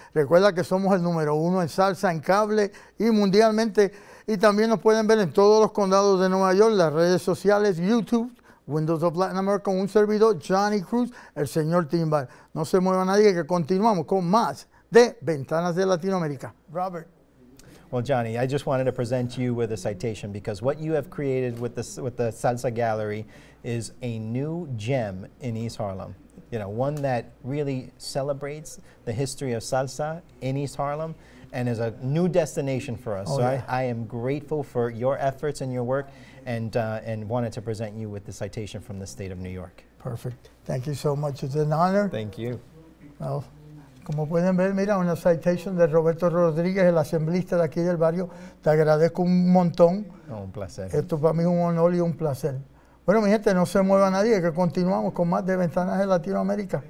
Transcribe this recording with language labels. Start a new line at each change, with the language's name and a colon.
Spanish: Recuerda que somos el número uno en salsa, en cable y mundialmente. Y también nos pueden ver en todos los condados de Nueva York, las redes sociales, YouTube, Windows of Latin America, con un servidor, Johnny Cruz, el señor Timbal. No se mueva nadie, que continuamos con más de Ventanas de Latinoamérica. Robert.
English: Well, Johnny, I just wanted to present you with a citation because what you have created with the Salsa Gallery is a new gem in East Harlem. You know, one that really celebrates the history of salsa in East Harlem and is a new destination for us. I am grateful for your efforts and your work and wanted to present you with the citation from the state of New York. Perfect. Thank you so much. It's an honor. Thank you.
Spanish: Well, como pueden ver, mira, una citation de Roberto Rodríguez, el asambleísta de aquí del barrio. Te agradezco un montón. Oh, un placer. Esto para mí es un honor y un placer. Bueno, mi gente, no se mueva nadie, que continuamos con más de Ventanas de Latinoamérica.